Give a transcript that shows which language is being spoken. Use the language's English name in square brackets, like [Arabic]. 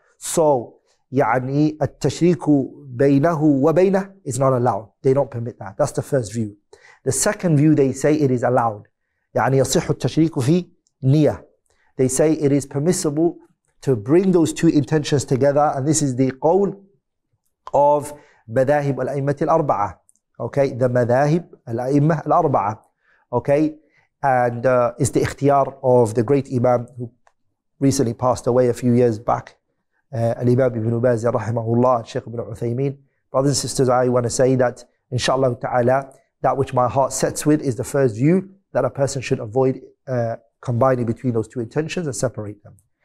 [English] So, [Arabic] يعني التشريك بينه وبينه [English] is not allowed. They don't permit that. That's the first view. The second view, they say it is allowed. [Arabic] يعني يصح التشريك في نية. [English] They say it is permissible to bring those two intentions together. And this is the قول of [Arabic] مذاهب الأئمة الأربعة. [English] Okay, the [Arabic] مذاهب الأئمة الأربعة. [English] Okay, and it's the اختيار of the great Imam who recently passed away a few years back. Al-Imam ibn Baz, rahimahullah, Shaykh ibn Uthaymeen. Brothers and sisters, I want to say that, inshallah ta'ala, that which my heart sets with is the first view, that a person should avoid combining between those two intentions and separate them.